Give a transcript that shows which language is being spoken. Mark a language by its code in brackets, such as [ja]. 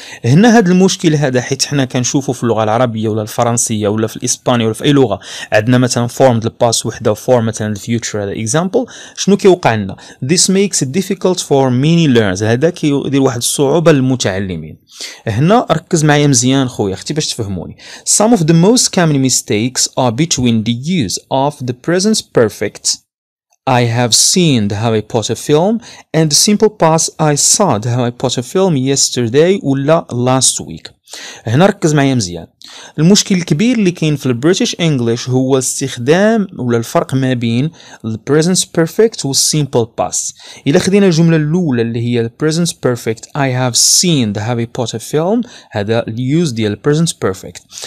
[ar] هنا هذا المشكل هذا حيت حنا كنشوفوا في اللغه العربيه ولا الفرنسيه ولا في الاسبانيه ولا في اي لغه عندنا مثلا فورم ديال الباس وحده وفورم مثلا الفيوتشر هذا اكزامبل، شنو كيوقع لنا؟ [en] This makes it difficult for many learners. [ar] هذا كيدير واحد الصعوبه للمتعلمين. هنا ركز معايا مزيان خويا اختي باش تفهموني. [en] Some of the most common mistakes are between the use of the present perfect I have seen the Harry Potter film and the simple past I saw the Harry Potter film yesterday ولا last week. [ar] هنا ركز معايا مزيان. المشكل الكبير اللي كاين في البريتيش انجلش هو استخدام ولا الفرق ما بين البريزنس بيرفكت والسيمبل باس. الا خدينا الجمله الاولى اللي هي البريزنس بيرفكت [en] I have seen the Harry Potter film, [ar] هذا اليوز ديال البريزنس بيرفكت.